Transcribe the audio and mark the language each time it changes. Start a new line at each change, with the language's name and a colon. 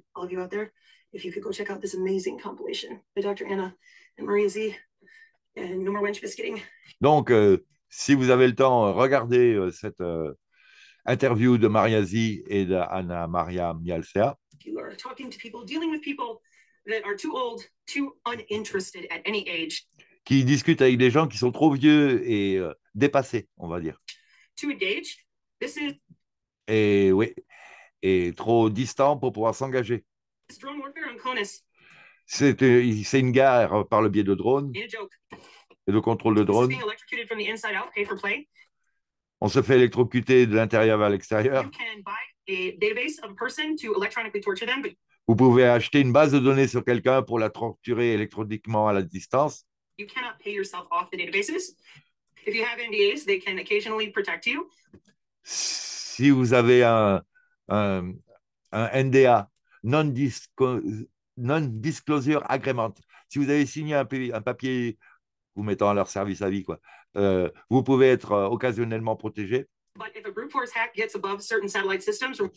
English: All of you out there, if you could go check out this amazing compilation by Dr. Anna and Maria Z and No More Wench Biscuiting.
French: Donc, si vous avez le temps, regardez cette interview de Maria Z et d'Anna Maria Mialcea.
English: You are talking to people, dealing with people that are too old, too uninterested at any age.
French: Qui discutent avec des gens qui sont trop vieux et dépassés, on va dire.
English: To engage, this is...
French: Et oui, et trop distants pour pouvoir s'engager.
English: It's drone warfare on CONUS.
French: C'est une guerre par le biais de drones.
English: In a joke.
French: Et de contrôle de drones.
English: This is being electrocuted from the inside out, pay for play.
French: On se fait électrocuter de l'intérieur vers l'extérieur.
English: You can buy a database of a person to electronically torture them, but...
French: Vous pouvez acheter une base de données sur quelqu'un pour la torturer électroniquement à la distance.
English: You cannot pay yourself off the databases. If you have NDAs, they can occasionally protect you.
French: Si vous avez un NDA,
English: non-disclosure agreement,
French: si vous avez signé un papier vous mettant à leur service à vie, quoi, vous pouvez être occasionnellement protégé.
English: But if a brute force hack gets above certain satellite systems,